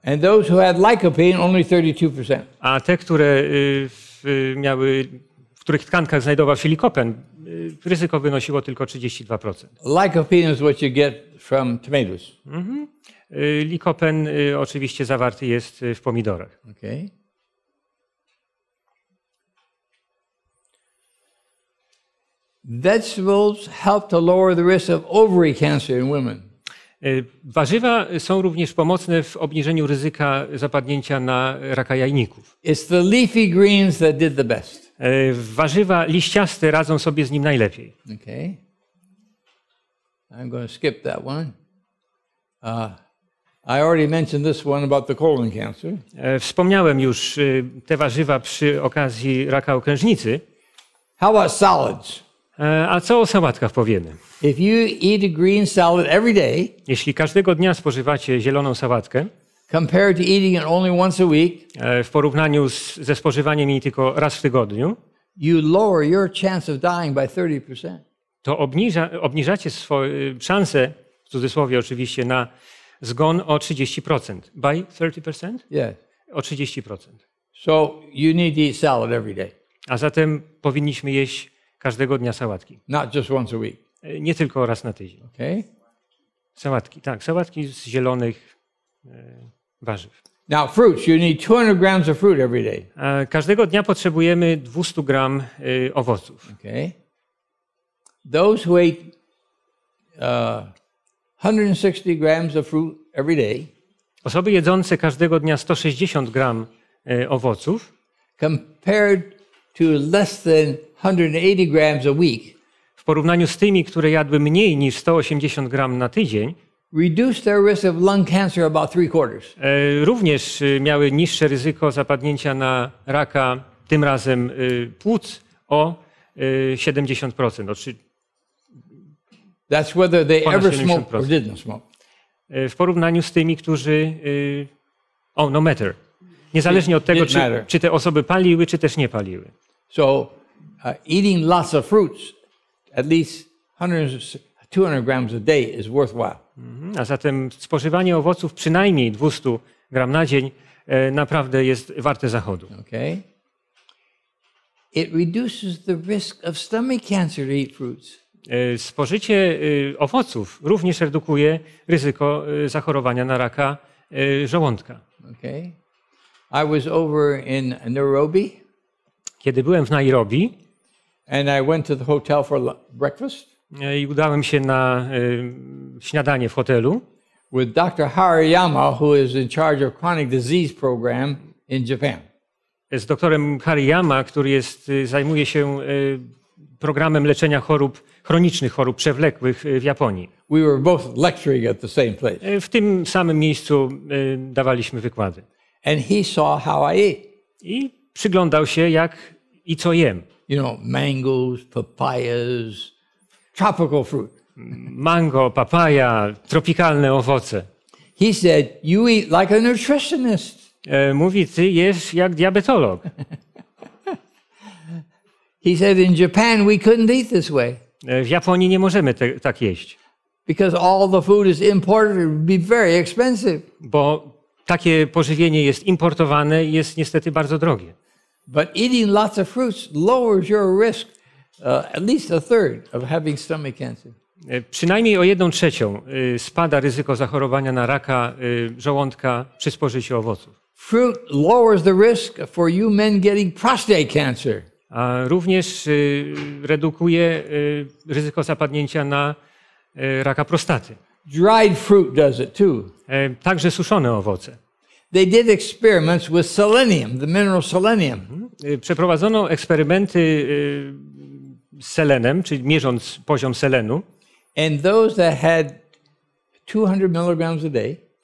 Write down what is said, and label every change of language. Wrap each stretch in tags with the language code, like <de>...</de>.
<en>And those who had lycopene only 32%.</en> <pl>A te, które miały, w których tkankach znajdował się likopen, ryzyko wynosiło tylko 32%.</pl> <en>Lycopene is what you get from tomatoes. Mm-hmm.</en> <pl>Likopen oczywiście zawarty jest w pomidorach.</pl> <en>Okay. Vegetables help to lower the risk of ovary cancer in women.</en> <pl>Warzywa są również pomocne w obniżeniu ryzyka zapadnięcia na raka jajników.</pl> <en>It's the leafy greens that did the best.</en> <pl>Warzywa liściaste radzą sobie z nim najlepiej.</pl> <en>Okay. I'm going to skip that one. I already mentioned this one about the colon cancer.</en> <pl>Wspomniałem już te warzywa przy okazji raka okrężnicy.</pl> <en>How about salads?</en> <pl>A co o sałatkach powiemy?</pl> <en>If you eat a green salad every day,</en> <pl>jeśli każdego dnia spożywacie zieloną sałatkę,</pl> <en>compared to eating it only once a week,</en> <pl>w porównaniu ze spożywaniem jej tylko raz w tygodniu,</pl> <en>you lower your chance of dying by 30%.</en> <pl>To obniżacie swoje szanse, w cudzysłowie oczywiście, na zgon o 30%.</pl> <en>By 30%? Yes.</en> <pl>O 30%.</pl> <en>So you need to eat salad every day.</en> <pl>A zatem powinniśmy jeść każdego dnia sałatki.</pl> <en>Not just once a week.</en> <pl>Nie tylko raz na tydzień.</pl> <en>Okay.</en> <pl>Sałatki, tak, sałatki z zielonych warzyw.</pl> <en>Now fruits, you need 200 grams of fruit every day.</en> <pl>Każdego dnia potrzebujemy 200 gram owoców.</pl> <en>Okay. Those who ate 160 grams of fruit every day.</en> <pl>Osoby jedzące każdego dnia 160 gram owoców.</pl> <en>Compared to less than 180 grams a week.</en> <pl>W porównaniu z tymi, które jadły mniej niż 180 gram na tydzień.</pl> <en>Reduced their risk of lung cancer about 3/4.</en> <pl>Również miały niższe ryzyko zapadnięcia na raka, tym razem płuc, o 70%.</pl> <en>That's whether they ever smoked or didn't smoke.</en> <pl>W porównaniu z tymi, którzy</pl> <en>no matter.</en> <pl>Niezależnie od tego, czy te osoby paliły, czy też nie paliły.</pl> <en>So eating lots of fruits, at least 200 grams a day is worthwhile.</en> <pl>A zatem spożywanie owoców przynajmniej 200 gram na dzień naprawdę jest warte zachodu.</pl> <en>Okay. It reduces the risk of stomach cancer to eat fruits.</en> <pl>Spożycie owoców również redukuje ryzyko zachorowania na raka żołądka.</pl> <en>Okay. I was over in Nairobi.</en> <pl>Kiedy byłem w Nairobi,</pl> <en>and I went to the hotel for breakfast.</en> <pl>I udałem się na śniadanie w hotelu.</pl> <en>With Dr. Hariyama, who is in charge of chronic disease program in Japan.</en> <pl>Z doktorem Hariyama, który jest zajmuje się programem leczenia chorób chronicznych, chorób przewlekłych w Japonii.</pl> <en>We were both lecturing at the same place.</en> <pl>W tym samym miejscu dawaliśmy wykłady.</pl> <en>And he saw how I ate.</en> <pl>I przyglądał się jak i co jem.</pl> <en>You know, mangoes, papayas. Tropical fruit.</en> <pl>Mango, papaja, tropikalne owoce.</pl> <en>He said, "You eat like a nutritionist."</en> <pl>Mówi, ty jesz jak diabetolog.</pl> <en>He said, "In Japan, we couldn't eat this way."</en> <pl>W Japonii nie możemy tak jeść.</pl> <en>Because all the food is imported, it would be very expensive.</en> <pl>Bo takie pożywienie jest importowane i jest niestety bardzo drogie.</pl> <en>But eating lots of fruits lowers your risk. At least a third of having stomach cancer.</en> <pl>Przynajmniej o 1/3 spada ryzyko zachorowania na raka żołądka przy spożyciu owoców.</pl> <en>Fruit lowers the risk for you men getting prostate cancer.</en> <pl>A również redukuje ryzyko zapadnięcia na raka prostaty.</pl> <en>Dried fruit does it too.</en> <pl>Także suszone owoce.</pl> <en>They did experiments with selenium, the mineral selenium.</en> <pl>Przeprowadzono eksperymenty z selenem, czyli mierząc poziom selenu.</pl> <en>And those that had 200 milligrams a day.</en>